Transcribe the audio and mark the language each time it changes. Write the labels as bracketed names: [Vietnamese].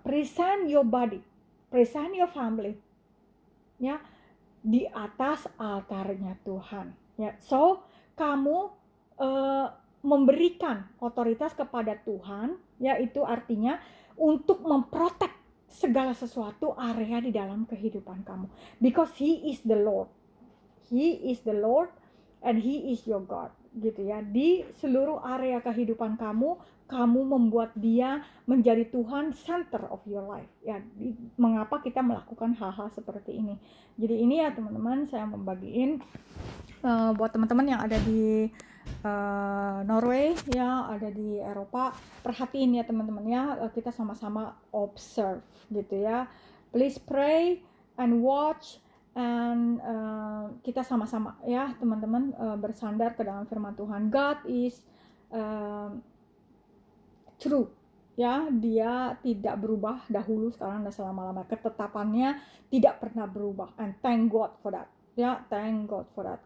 [English] Present your body, present your family, ya, [Indonesian] di atas altarnya Tuhan. Ya, so kamu memberikan otoritas kepada Tuhan, ya, itu artinya untuk memprotek segala sesuatu area di dalam kehidupan kamu. [English] Because He is the Lord, He is the Lord, and He is your God. [Indonesian] Gitu ya, di seluruh area kehidupan kamu, kamu membuat Dia menjadi Tuhan, [English] center of your life. [Indonesian] Ya, mengapa kita melakukan hal-hal seperti ini? Jadi ini ya teman-teman, saya membagiin buat teman-teman yang ada di Norway, ya, ada di Eropa, perhatiin ya teman-teman ya, kita sama-sama observe gitu ya. [English] Please pray and watch. And [Indonesian] kita sama-sama ya teman-teman bersandar ke dalam firman Tuhan. [English] God is true, [Indonesian] ya, Dia tidak berubah dahulu, sekarang dan selama-lamanya. Ketetapannya tidak pernah berubah. [English] And thank God for that, ya, thank God for that.